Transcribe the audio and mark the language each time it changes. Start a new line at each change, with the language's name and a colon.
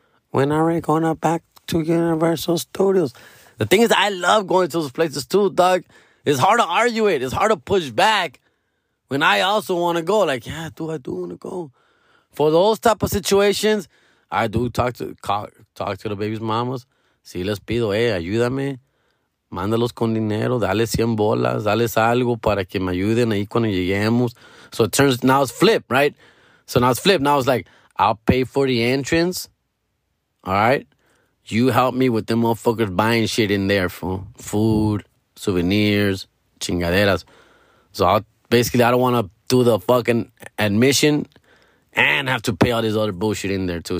English: When are we gonna back to Universal Studios? The thing is, I love going to those places too, dog. It's hard to argue it. It's hard to push back when I also want to go. Like, yeah, dude, I do want to go. For those type of situations, I do talk to the baby's mamas.
Spanish: Si les pido, ayúdame, mándalos con dinero, dale 100 bolas, dale algo para que me ayuden ahí cuando lleguemos.
English: So it turns, now it's flip, right? So now it's flip. Now it's like, I'll pay for the entrance, all right? You help me with them motherfuckers buying shit in there, fool. Food, souvenirs, chingaderas. So I don't want to do the fucking admission and have to pay all this other bullshit in there too.